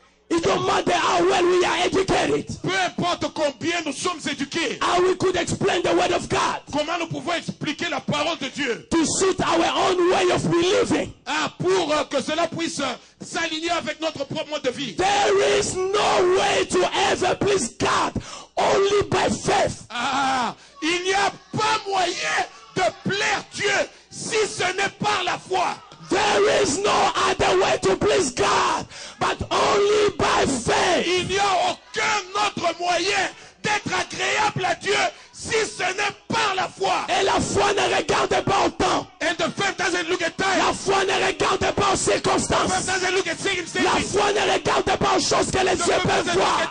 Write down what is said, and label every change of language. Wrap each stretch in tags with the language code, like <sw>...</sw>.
<en>It don't matter how well we are educated.</en> <fr>Peu importe combien nous sommes éduqués.</fr> <en>How we could explain the word of God.</en> <fr>Comment nous pouvons expliquer la parole de Dieu.</fr> <en>To suit our own way of believing.</en> <fr>Ah, pour que cela puisse s'aligner avec notre propre mode de vie.</fr> <en>There is no way to ever please God only by faith.</en> <fr>Ah, il n'y a pas moyen de plaire Dieu si ce n'est par la foi.</fr> <en>There is no other way to please God, but only by faith.</en> <fr>Il n'y a aucun autre moyen d'être agréable à Dieu si ce n'est par la foi. Et la foi ne regarde pas au temps.</fr> <en>And the faith doesn't look at time.</en> <fr>La foi ne regarde pas aux circonstances.</fr> <en>The faith doesn't look at circumstances.</en> <fr>La foi ne regarde pas aux choses que les yeux peuvent voir.</fr>